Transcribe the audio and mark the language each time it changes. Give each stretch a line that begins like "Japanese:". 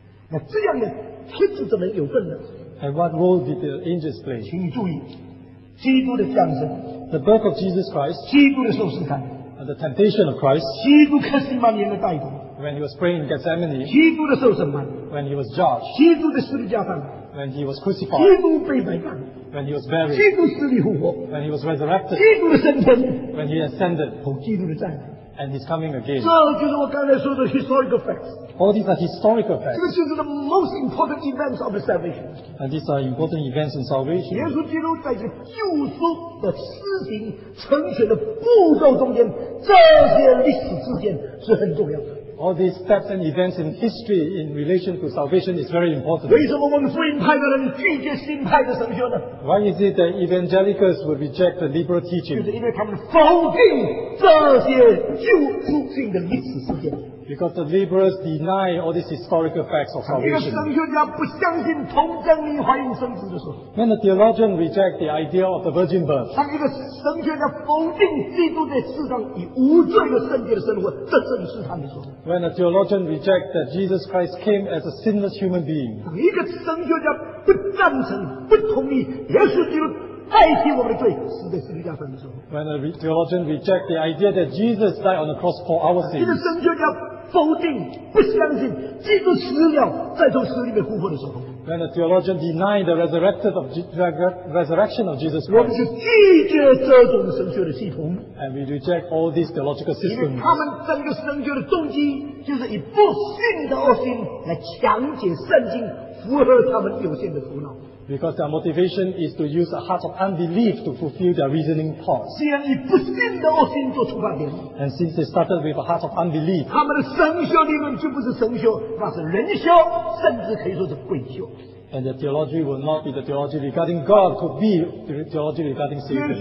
Chinese: 那这样的天使怎么有份呢？
English: And what role did the angels play?
Chinese: 请你注意，基督的降生，
English: the birth of Jesus Christ，
Chinese: 基督的受试探，
English: and the temptation of Christ，
Chinese: 基督克西马尼的逮捕，
English: when he was praying in Gethsemane，
Chinese: 基督的受审判，
English: when he was judged，
Chinese: 基督的十字架上，
English: when he was crucified，
Chinese: 基督被埋葬，
English: when he was buried，
Chinese: 基督死里复活，
English: when he was resurrected，
Chinese: 基督的升天，
English: when he ascended，
Chinese: 和基督的再来。
English: And he's coming again.
Chinese: 这就是我刚才说的
English: historical facts. All these are historical facts.
Chinese: 这就是
English: the most important events of the salvation. And these are important events in salvation.
Chinese: 耶稣基督在这救赎的施行成全的步骤中间，这些历史事件是很重要的。
English: All these steps and events in history in relation to salvation is very important.
Chinese: 为什么我们福音派的人拒绝新派的神学呢？
English: Why is it that evangelicals will reject the liberal teaching?
Chinese: 就是因为他们否定这些救赎性的历史事件。
English: Because the liberals deny all these historical facts of salvation.
Chinese: 神学家不相信童贞女怀孕生子的时候。
English: When the theologian reject the idea of the virgin birth.
Chinese: 当一个神学家否定基督在世上以无罪的圣洁的生活，这正是他的时候。
English: When a theologian reject that Jesus Christ came as a sinless human being.
Chinese: 当一个神学家不赞成、不同意耶稣基督代替我们的罪死在十字架上的时候。
English: When a theologian reject the idea that Jesus died on the cross for our sins.
Chinese: 一个神学家否定、不相信基督死了再从死里面复活的时候。
English: When a theologian denied the resurrection of Jesus Christ.
Chinese: 我们拒绝这种神学的系统。
English: And we reject all these theological systems.
Chinese: 因为他们整个神学的动机就是以不信的恶心来强解圣经，符合他们有限的头脑。
English: Because their motivation is to use a heart of unbelief to fulfill their reasoning thoughts.
Chinese: 既然以不信的恶心做出发点。
English: And since they started with a heart of unbelief.
Chinese: 他们的神学理论就不是神学，那是人学，甚至可以说是鬼学。
English: And the theology will not be the theology regarding God, could be the theology regarding Satan.